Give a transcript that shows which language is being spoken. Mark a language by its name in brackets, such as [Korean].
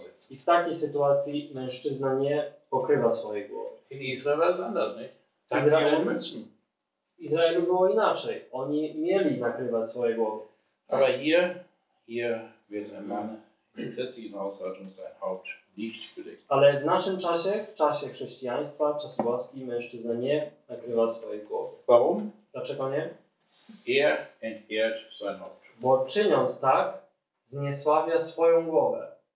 [Polish] I w takiej sytuacji mężczyzna nie pokrywa swojej głowy. [German] In Israel war es anders, nicht? [Polish] W Izraelu było inaczej. Oni mieli nakrywać swoje głowy. [German] Aber hier wird ein Mann in christlichen Haushaltung sein Haupt nicht bedeckt. [Polish] Ale w naszym czasie, w czasie chrześcijaństwa, w czasie łaski, mężczyzna nie nakrywa swojej głowy. [German] Warum? [Polish] Dlaczego nie? [German] Er entehrt sein Haupt. [Polish] Bo czyniąc tak, zniesławia swoją głowę.